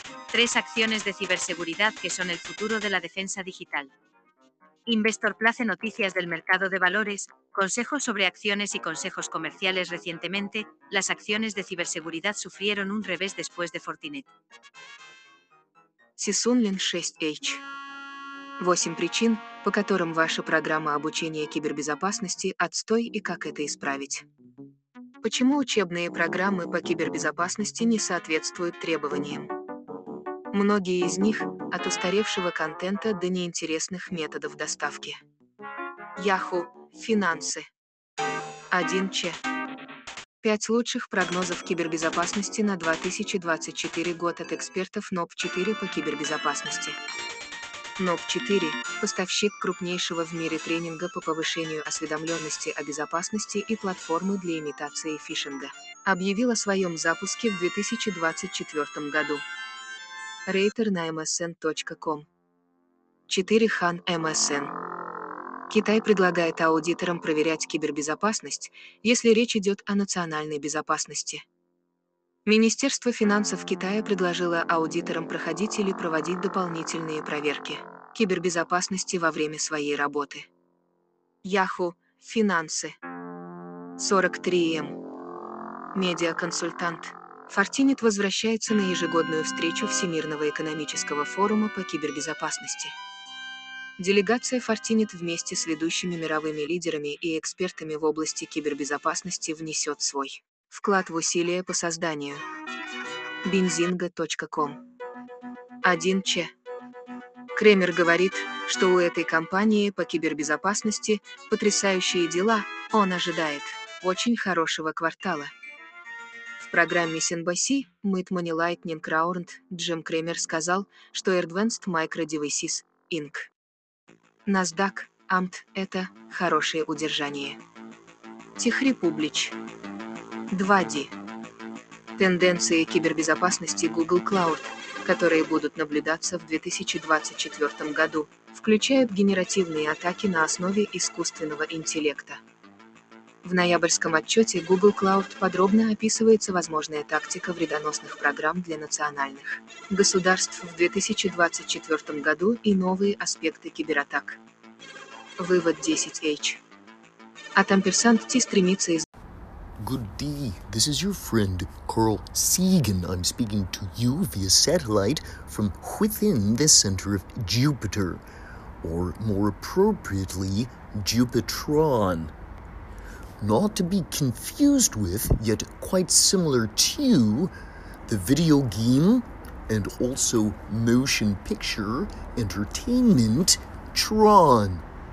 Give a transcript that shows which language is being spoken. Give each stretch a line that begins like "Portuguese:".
Spanish: Tres acciones de ciberseguridad que son el futuro de la defensa digital. Investor Place, noticias del mercado de valores, consejos sobre acciones y consejos comerciales. Recientemente, las acciones de ciberseguridad sufrieron un revés después de Fortinet. Сисунлин 6H.
Russian: 8 причин, по которым ваша программа обучения кибербезопасности отстой и как это исправить. Почему учебные программы по кибербезопасности не соответствуют требованиям? Многие из них – от устаревшего контента до неинтересных методов доставки. Yahoo! Финансы. 1Ч. 5 лучших прогнозов кибербезопасности на 2024 год от экспертов NOP4 по кибербезопасности. NOP4 – поставщик крупнейшего в мире тренинга по повышению осведомленности о безопасности и платформы для имитации фишинга. Объявил о своем запуске в 2024 году. Рейтер на msn.com. 4Хан MSN. Китай предлагает аудиторам проверять кибербезопасность, если речь идет о национальной безопасности. Министерство финансов Китая предложило аудиторам проходить или проводить дополнительные проверки кибербезопасности во время своей работы. Yahoo! Финансы. 43М. Медиаконсультант. Fortinet возвращается на ежегодную встречу Всемирного экономического форума по кибербезопасности. Делегация Fortinet вместе с ведущими мировыми лидерами и экспертами в области кибербезопасности внесет свой вклад в усилия по созданию. Benzinga.com. 1Ч. Кремер говорит, что у этой компании по кибербезопасности потрясающие дела, он ожидает очень хорошего квартала. В программе CNBC Meet Money Lightning Round Джим Кремер сказал, что Advanced Micro Devices, Inc. NASDAQ, AMT – это хорошее удержание. Tech Republic. 2D. Тенденции кибербезопасности Google Cloud, которые будут наблюдаться в 2024 году, включают генеративные атаки на основе искусственного интеллекта. В ноябрьском отчете Google Cloud подробно описывается возможная тактика вредоносных программ для национальных государств в 2024 году и новые аспекты кибератак. Вывод 10H. От Ampersand T стремится из...
English: Good day, this is your friend Carl Sagan. I'm speaking to you via satellite from within the center of Jupiter, or more appropriately, Jupitron. Not to be confused with, yet quite similar to, the video game and also motion picture entertainment Tron.